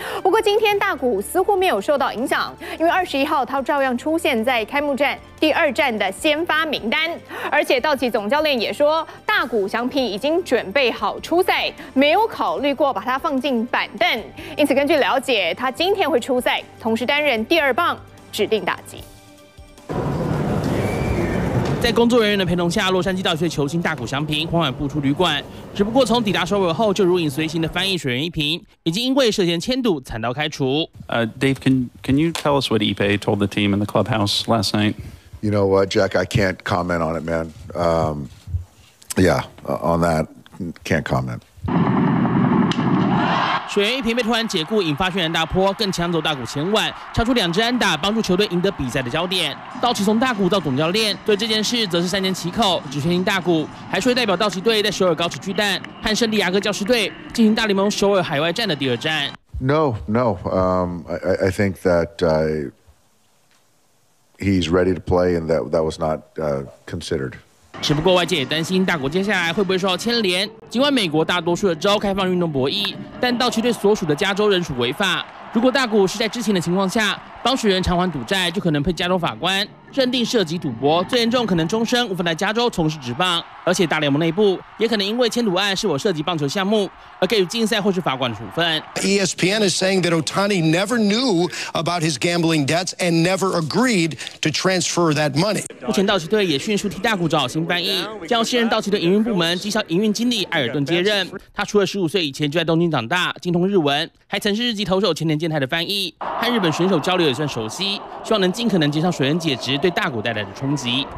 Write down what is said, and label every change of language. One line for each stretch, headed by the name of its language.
Chinese: 不过今天大谷似乎没有受到影响，因为21号他照样出现在开幕战第二战的先发名单，而且道奇总教练也说大谷翔平已经准备好出赛，没有考虑过把他放进板凳，因此根据了解他今天会出赛，同时担任第二棒指定打击。在工作人员的陪同下，洛杉矶道奇球星大谷翔平缓缓步出旅馆。只不过从抵达首尔后，就如影随形的翻译水源一平，已经因为涉嫌签赌惨遭开除。
English: Dave, can you tell us what Ipe told the team in the clubhouse last night? You know what, Jack? I can't comment on it, man. On that, can't comment.
Chinese: 水源一平被突然解雇，引发轩然大波，更抢走大谷前腕，敲出2支安打，帮助球队赢得比赛的焦点。道奇从大谷到总教练对这件事则是3缄其口，只全赢大谷，还说代表道奇队在首尔高尺巨蛋和圣地亚哥教师队进行大联盟首尔海外站的第二战。
English: No, I think that he's ready to play, and that was not considered.
Chinese: 只不过外界也担心大谷接下来会不会受到牵连。尽管美国大多数的州开放运动博弈，但道奇队所属的加州仍属违法。如果大谷是在知情的情况下帮水源偿还赌债，就可能被加州法官认定涉及赌博，最严重可能终身无法在加州从事职棒。而且大联盟内部也可能因为签赌案是否涉及棒球项目而给予禁赛或是罚款的处分。
English: ESPN is saying that Ohtani never knew about his gambling debts and never agreed to transfer that money.
Chinese: 目前道奇队也迅速替大谷找好新翻译，将现任道奇队营运部门绩效营运经理艾尔顿接任。他除了15岁以前就在东京长大，精通日文，还曾是日籍投手前田健太的翻译，和日本选手交流也算熟悉，希望能尽可能减少水源解职对大谷带来的冲击。